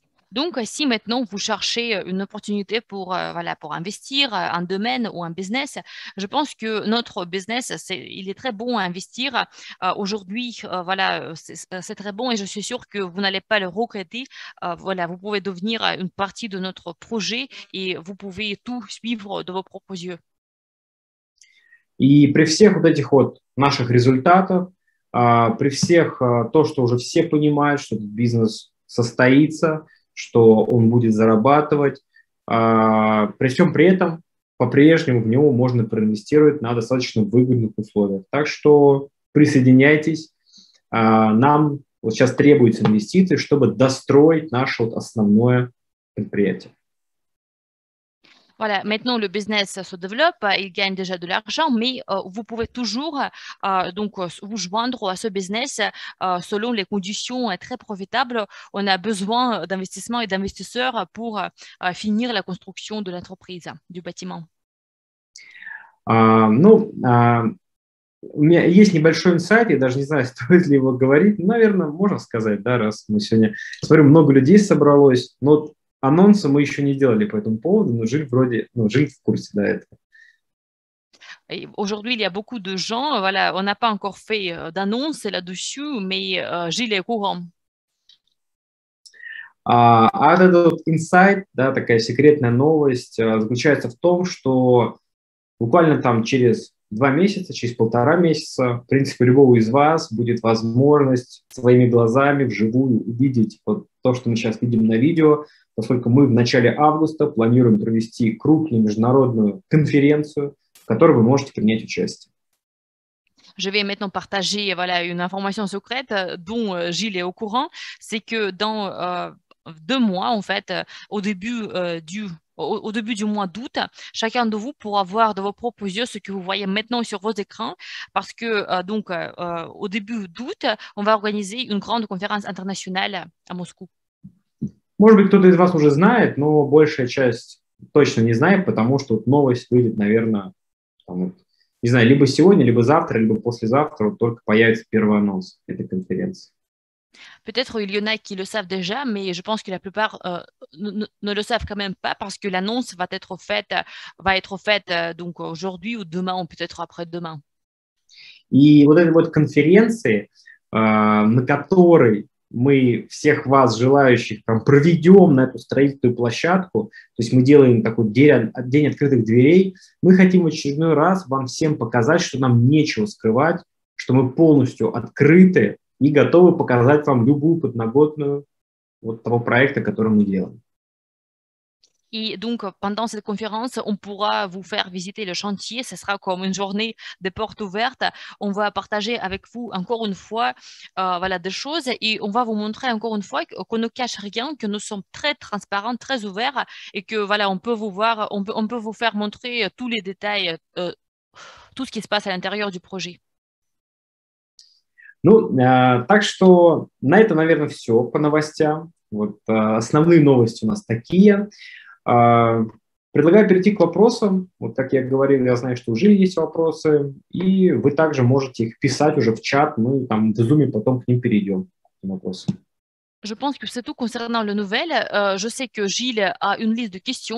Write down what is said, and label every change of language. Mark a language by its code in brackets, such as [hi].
[fr] Donc, si maintenant vous cherchez une opportunité pour, voilà, pour investir un domaine ou un business, je pense que notre business, il est très bon à investir. Aujourd'hui, voilà, c'est très bon et je suis sûre que vous n'allez pas le regretter. Voilà, vous pouvez devenir une partie de notre projet et vous pouvez tout suivre de vos propres yeux. [ru] И при всех вот этих вот наших результатах, при всех то, что уже все понимают, что этот бизнес состоится, что он будет зарабатывать. При всем при этом, по-прежнему в него можно проинвестировать на достаточно выгодных условиях. Так что присоединяйтесь. Нам вот сейчас требуются инвестиции, чтобы достроить наше вот основное предприятие. [fr] Voilà, maintenant le business se développe, il gagne déjà de l'argent, mais vous pouvez toujours donc vous joindre à ce business selon les conditions très profitables. On a besoin d'investissements et d'investisseurs pour finir la construction de l'entreprise, du bâtiment. [ru] У меня есть небольшой инсайт, я даже не знаю, стоит ли его говорить. Наверное, можно сказать, да, раз мы сегодня, смотрю, много людей собралось, но анонса мы еще не делали по этому поводу, но жили вроде, ну, жили в курсе до этого. [fr] Aujourd'hui, il y a beaucoup de gens, voilà, on n'a pas encore fait d'annonce là-dessus, mais жили au courant. [ru] А этот инсайт, да, такая секретная новость, заключается в том, что буквально там через два месяца, через полтора месяца, в принципе, любого из вас будет возможность своими глазами вживую увидеть вот то, что мы сейчас видим на видео, поскольку мы в начале августа планируем провести крупную международную конференцию, в которой вы можете принять участие. [fr] Je vais maintenant partager, voilà, une information secrète dont Gilles est au courant, c'est que dans deux mois, en fait, au début du mois d'août, chacun de vous pourra voir de vos propres yeux ce que vous voyez maintenant sur vos écrans, parce que au début d'août, on va organiser une grande conférence internationale à Moscou. [ru] Может быть, кто-то из вас уже знает, но большая часть точно не знает, потому что вот новость выйдет, наверное, там, не знаю, либо сегодня, либо завтра, либо послезавтра, вот только появится первый анонс этой конференции. [fr] Peut-être il y en a qui le savent déjà, mais je pense que la plupart ne le savent quand même pas parce que l'annonce va être faite donc aujourd'hui ou demain ou peut-être après-demain. [ru] И вот эта вот конференция, на которой мы всех вас желающих там проведем на эту строительную площадку, то есть мы делаем такой день открытых дверей, мы хотим в очередной раз вам всем показать, что нам нечего скрывать, что мы полностью открыты и готовы показать вам любую подноготную вот того проекта, который мы делаем. [fr] И, donc, pendant cette conférence, on pourra vous faire visiter le chantier. Ce sera comme une journée de portes ouvertes. On va partager avec vous encore une fois des choses et on va vous montrer encore une fois qu'on ne cache rien, que nous sommes très transparents, très ouverts et que, voilà, on peut vous voir, on peut vous faire montrer tous les détails, tout ce qui se passe à l'intérieur du projet. [ru] Ну, так что на это, наверное, все по новостям. Вот основные новости у нас такие. Предлагаю перейти к вопросам. Вот как я говорил, я знаю, что уже есть вопросы, и вы также можете их писать уже в чат, мы там в Zoom потом к ним перейдем, к вопросам. [fr] Je pense que c'est tout concernant le nouvel. Je sais que Gilles a une liste de questions.